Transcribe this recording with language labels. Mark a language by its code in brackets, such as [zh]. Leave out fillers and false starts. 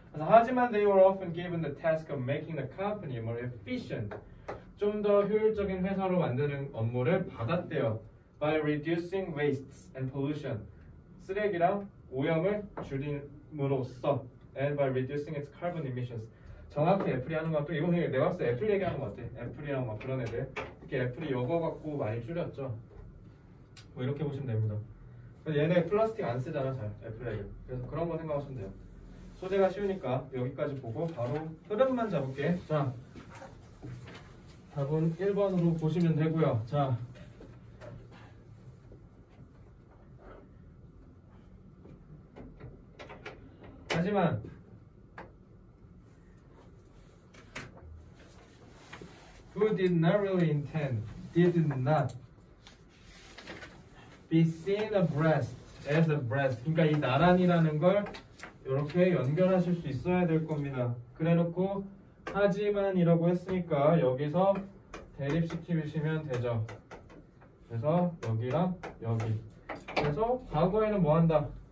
[ko] 하지만 [en] they were often given the task of making the company more efficient. [ko] 좀 더 효율적인 회사로 만드는 업무를 받았대요. [en] By reducing wastes and pollution. [ko] 쓰레기랑 오염을 줄임으로써. [en] And by reducing its carbon emissions. [ko] 정확히 애플이 하는 것도 이번에 내가 봤을 때 애플 얘기하는 것 같아. 애플이랑 막 그런 애들. 특히 애플이 여거 갖고 많이 줄였죠. 뭐 이렇게 보시면 됩니다. 얘네 플라스틱 안 쓰잖아 잘 애플 애들. 그래서 그런 거 생각하시면 돼요. 소재가 쉬우니까 여기까지 보고 바로 흐름만 잡을게. 자, 답은 1번으로 보시면 되고요. 자, 하지만 [en] who did not really intend, did not. B be seen a breast as a breast. [ko] 그러니까 이 나란이라는 걸 이렇게 연결하실 수 있어야 될 겁니다. 그래놓고 하지만이라고 했으니까 여기서 대립시키시면 되죠. 그래서 여기랑 여기. 그래서 과거에는 뭐 한다?